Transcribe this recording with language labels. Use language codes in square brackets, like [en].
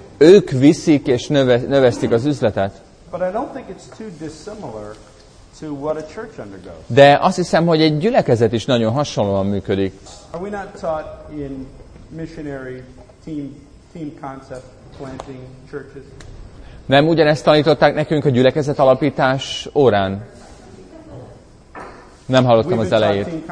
[hu] Ők viszik és növesztik az üzletet. [en] But I don't think it's too dissimilar to what a church undergoes. [hu] De azt hiszem, hogy egy gyülekezet is nagyon hasonlóan működik. [en] Are we not taught in missionary team concept planting churches? [hu] Nem ugyanezt tanították nekünk a gyülekezet alapítás órán? Nem hallottam az elejét.